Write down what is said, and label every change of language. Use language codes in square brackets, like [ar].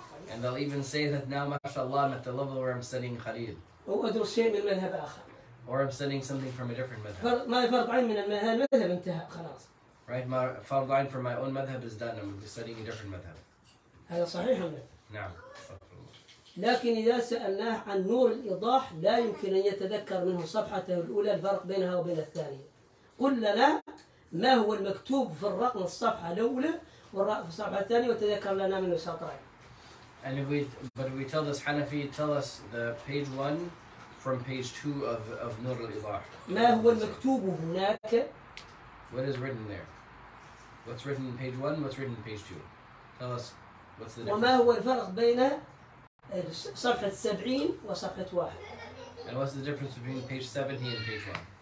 [en] And they'll even say that now, mashallah, I'm at the level where I'm studying خليل. [ar] أو أدرس شيء من مذهب آخر. [en] Or I'm studying something from a different madhab. [ar] ما فرض عين من المذهب انتهى خلاص. [en] Right, my فرض عين from my own madhab is done. I'm studying a different madhab. [ar] هذا صحيح ولا؟ نعم. لكن إذا سألناه عن نور الإيضاح لا يمكن أن يتذكر منه صفحته الأولى الفرق بينها وبين الثانية. قل لنا ما هو المكتوب في الرقم الصفحة الأولى والرقم الصفحة الثانية وتذكر لنا منه سطرين. [en] And if we tell this Hanafi, tell us the page one from page two of Nur al-Ilah. [ar] ما هو المكتوب هناك؟ [en] What is written there? What's written in page one? What's written in page two? Tell us what's the difference. [ar] وما هو الفرق بين صفحة 70 وصفحة 1؟ [en] And what's the difference between page 70 and page 1?